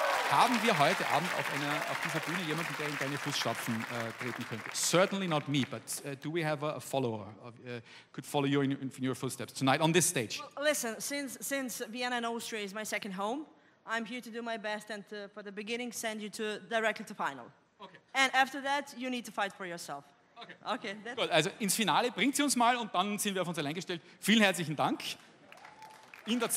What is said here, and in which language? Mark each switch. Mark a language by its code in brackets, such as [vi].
[de] Haben wir heute Abend auf dieser Bühne jemanden, der in deine Fußstapfen treten könnte? [en] Certainly not me, but do we have a follower could follow you in your footsteps tonight on this stage? Well, listen, since Vienna and Austria is my second home, I'm here to do my best and to, for the beginning, send you to directly to final. Okay. And after that, you need to fight for yourself. Okay. [de] Gut, also ins Finale bringt sie uns mal und dann sind wir auf uns allein gestellt. Vielen herzlichen Dank. In der zweiten